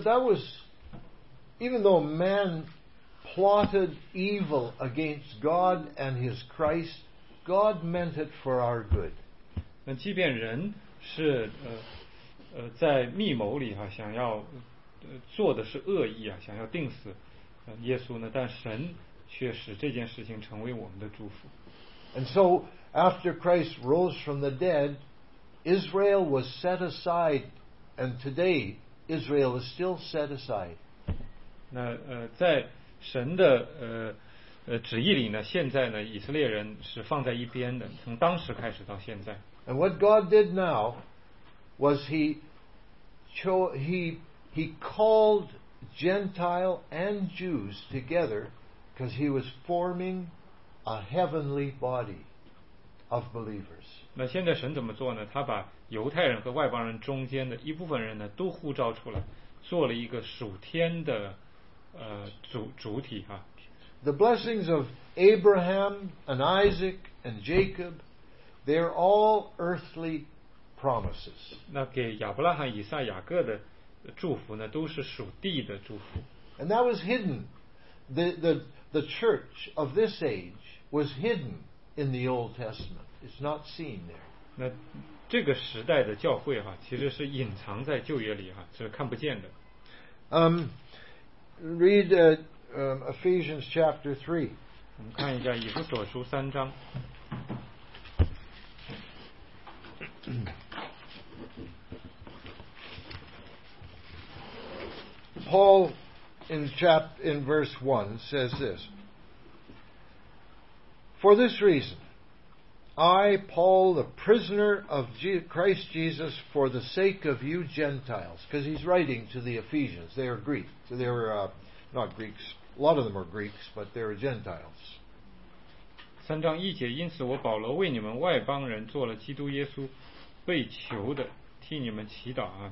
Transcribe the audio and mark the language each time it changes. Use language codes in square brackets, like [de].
[en] But that was, even though man plotted evil against God and His Christ, God meant it for our good. [zh] 那即便人是在密谋里哈，想要做的是恶意啊，想要钉死。耶稣呢？但神却使这件事情成为我们的祝福。 [en] And so, after Christ rose from the dead, Israel was set aside, and today Israel is still set aside. [zh] 那在神的旨意里呢？现在呢，以色列人是放在一边的，从当时开始到现在。 [en] And what God did now was He called. Gentile and Jews together because he was forming a heavenly body of believers. [zh] 那现在神怎么做呢？他把犹太人和外邦人中间的一部分人呢都呼召出来，做了一个属天的主体啊。 [en] The blessings of Abraham and Isaac and Jacob, they're all earthly promises. [zh] 那给亚伯拉罕、以撒、雅各的祝福呢，都是属地的祝福。 [en] And that was hidden. The church of this age was hidden in the Old Testament. It's not seen there. [zh] 那这个时代的教会哈，其实是隐藏在旧约里哈，是看不见的。 [en] Read Ephesians chapter 3. [zh] 我们看一下以弗所书三章。 [en] Paul in verse 1 says this. For this reason, I, Paul, the prisoner of Christ Jesus, for the sake of you Gentiles, because he's writing to the Ephesians. They are Greek. So they are not Greeks. A lot of them are Greeks, but they are Gentiles. [zh] 三章一节，因此我保罗为你们外邦人做了基督耶稣被囚的，替你们祈祷啊。